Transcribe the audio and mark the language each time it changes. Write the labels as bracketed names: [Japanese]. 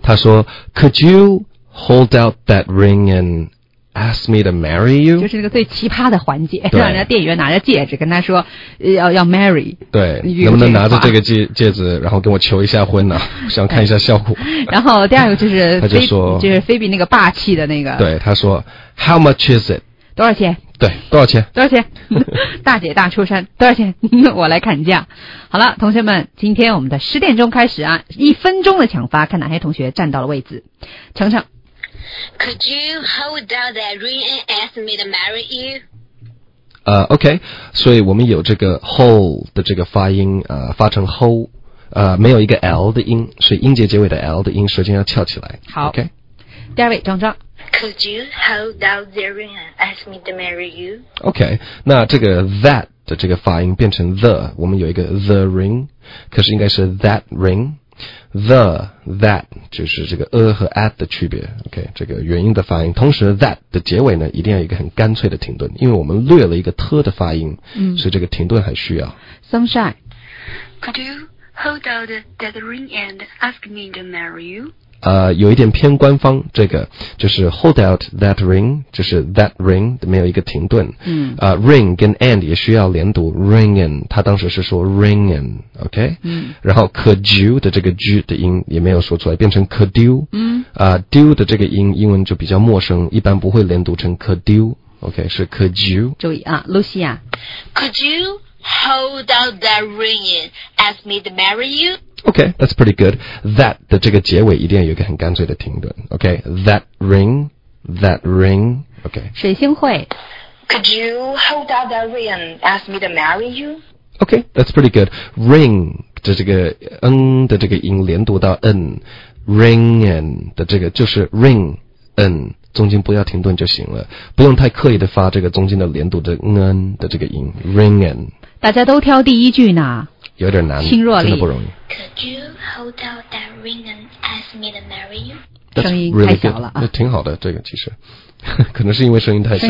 [Chinese] 他说 [English] could you hold out that ring and ask me to marry you， [Chinese] 就是那个最奇葩的环节，让人家店员拿着戒指跟他说要 marry，对，能不能拿着这个戒指然后跟我求一下婚呢，想看一下效果、然后第二个就是他就说，就是菲比那个霸气的那个，对，他说 [English] how much is it， [Chinese] 多少钱，对，多少钱，多少钱，大姐大出山，多少钱，我来砍价。好了，同学们，今天我们的十点钟开始啊，一分钟的抢发，看哪些同学站到了位置。程程， [English] Could you hold out that ring and ask me to marry you? [Chinese] OK， 所以我们有这个 hold 的这个发音，发成 hold， 没有一个 L 的音，所以音节结尾的 L 的音舌尖要翘起来。好，OK。第二位，庄庄。 [English] Could you hold out that ring and ask me to marry you? [Chinese] OK， 那这个 that 的这个发音变成 the， 我们有一个 the ring， 可是应该是 that ring。 The that 就是这个 和 at 的区别 ，OK， 这个元音的发音。同时 ，that 的结尾呢，一定要一个很干脆的停顿，因为我们略了一个 t 的发音，所以这个停顿还需要。 Sunshine， [English] Could you hold out that ring and ask me to marry you？ [Chinese] 有一点偏官方，这个就是 [English] hold out that ring， [Chinese] 就是 that ring 没有一个停顿。 ring 跟 and 也需要连读 ，ringin， 他当时是说 ringin。 OK， 然后 could you 的这个 g 的音也没有说出来，变成 could you， do 的这个音英文就比较陌生，一般不会连读成 could you， OK， 是 could you。注意啊， Lucia， [English] could you hold out that ring and ask me to marry you？ [Chinese] OK， [English] that's pretty good。 [Chinese] that 的这个结尾一定要有一个很干脆的停顿。 OK， that ring， that ring。 OK，水星会， [English] could you hold out that ring and ask me to marry you？ OK, that's pretty good. Ring 的这个 N 的这个音连读到 N, ring and 的这个就是 ring [Chinese] 嗯，中间不要停顿就行了，不用太刻意的发这个中间的连读的嗯嗯的这个音 ring in。大家都挑第一句呢，有点难，轻若离，真的不容易。 [English] Could you hold out that ring and ask me to marry you？ [Chinese] 声音太小了啊，那挺好的，这个其实可能是因为声音太小了，